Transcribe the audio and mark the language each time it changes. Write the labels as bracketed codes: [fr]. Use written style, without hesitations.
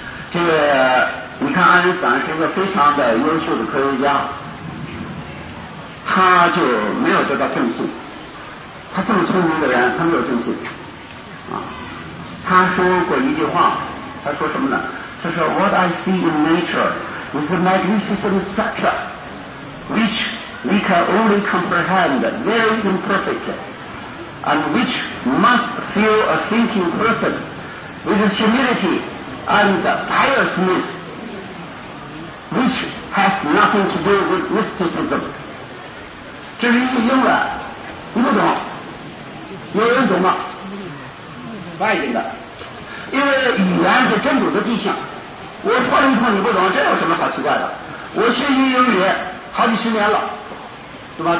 [zh] 这个你看，爱因斯坦是一个非常的优秀的科学家，他就没有得到正信。他这么聪明的人，他没有正信啊。他说过一句话，他说什么呢？他说 [en] What I see in nature is a magnificent structure which we can only comprehend very imperfectlyAnd which must fill a thinking person with humility and piousness, which has nothing to do with mysticism. [zh] 这是一英文，你不懂，有人懂吗？外人的，因为语言是真主的迹象。我说一通你不懂，这有什么好奇怪的？我学习英语好几十年了，对吧？